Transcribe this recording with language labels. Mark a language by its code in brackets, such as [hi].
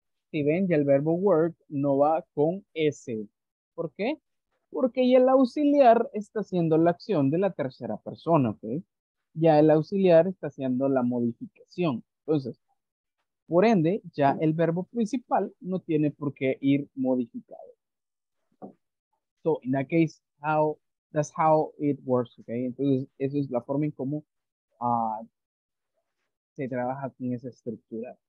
[es] Si ven, ya el verbo work no va con S. ¿Por qué? Porque ya el auxiliar está haciendo la acción de la tercera persona, ¿ok? Ya el auxiliar está haciendo la modificación. Entonces, por ende, ya el verbo principal no tiene por qué ir modificado. [en] So, in that case, how, that's how it works, ¿ok? [es] Entonces, esa es la forma en cómo se trabaja con esa estructura.